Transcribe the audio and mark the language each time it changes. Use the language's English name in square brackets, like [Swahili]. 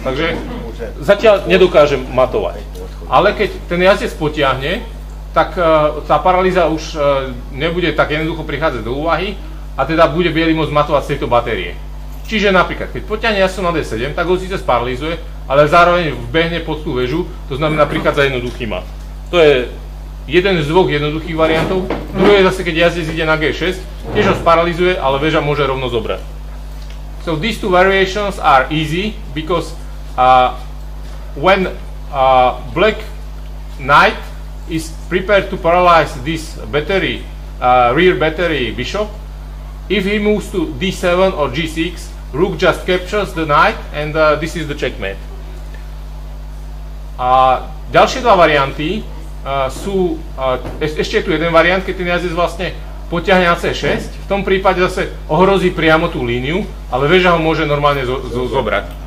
[Slovak] Takže zatiaľ nedokážem matovať. Ale keď ten jazdec potiahne, tak tá paralýza už nebude tak jednoducho prichádzať do úvahy a teda bude bielý môcť matovať z tejto batérie. Čiže napríklad, keď potiahne jasno na D7, tak ho síce sparalizuje, ale zároveň vbehne pod tú väžu, to znamená prichádza jednoduchý mat. To je jeden z dvoch jednoduchých variantov. Druhý je zase, keď jazdec ide na G6, tiež ho sparalizuje, ale väža môže rovno zobrať. [English] So these two variations are easy, because when Black Knight is prepared to paralyze this battery, rear battery bishop, if he moves to D7 or G6, Rook just captures the knight and this is the checkmate. [Slovak] A ďalšie dva varianty sú, ešte je tu jeden variant, keď ten jazdec vlastne potiahne na C6, v tom prípade zase ohrozí priamo tú líniu, ale väža ho môže normálne zobrať.